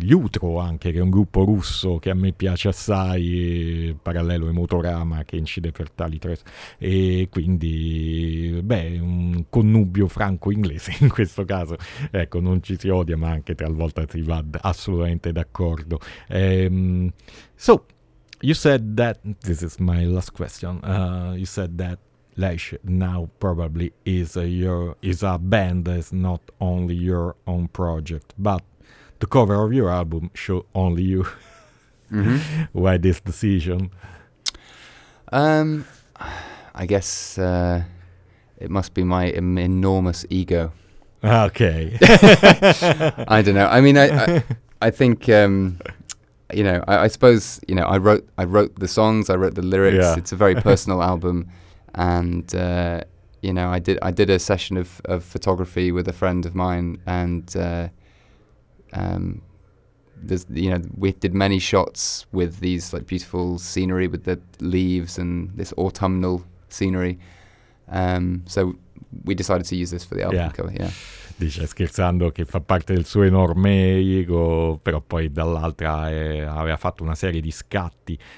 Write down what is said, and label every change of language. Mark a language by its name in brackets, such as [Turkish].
[Italian] Liutro anche, che è un gruppo russo che a me piace assai. Parallelo e Motorama, che incide per tali tre. E quindi, un connubio franco-inglese in questo caso. Ecco, non ci si odia, ma anche talvolta si va assolutamente d'accordo. [English] So, you said that, this is my last question, you said that Lash now probably is a band that is not only your own project, but the cover of your album show only you. Mm-hmm. Why this decision? I guess it must be my enormous ego. Okay. I don't know. I mean, I think... you know, I suppose, you know, I wrote the songs, I wrote the lyrics. Yeah. It's a very personal album. And, you know, I did a session of photography with a friend of mine. And, we did many shots with these like beautiful scenery with the leaves and this autumnal scenery. So we decided to use this for the album cover. Yeah. [Italian] Dice scherzando che fa parte del suo enorme ego, però poi dall'altra aveva fatto una serie di scatti.